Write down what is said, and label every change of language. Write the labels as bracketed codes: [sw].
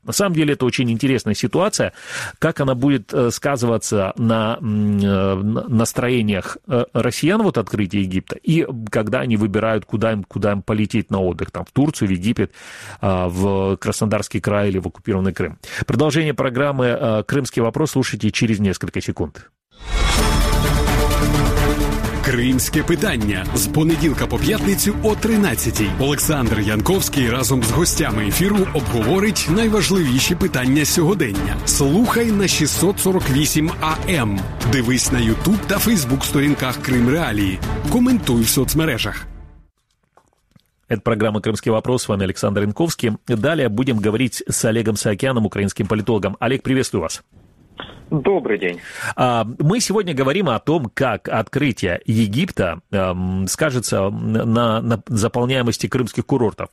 [ru] На самом деле это очень интересная ситуация, как она будет сказываться на настроениях россиян, вот открытие Египта, и когда они выбирают, куда им полететь на отдых, там, в Турцию, в Египет, в Краснодар, Краснодарский край или в оккупированный Крым. Продолжение программы «Крымский вопрос» слушайте через несколько секунд. [uk] Кримське питання з понеділка по п'ятницю о 13:00. Олександр Янковський разом з гостями ефіру обговорить найважливіші питання сьогодення. Слухай на 648 АМ. Дивись на Ютуб та Фейсбук сторінках Крим Реалії. Коментуй в соцмережах. [ru] Это программа «Крымский вопрос», с вами Александр Янковский. Далее будем говорить с Олегом Саакяном, украинским политологом. Олег, приветствую вас. Добрый день. Мы сегодня говорим о том, как открытие Египта скажется на заполняемости крымских курортов.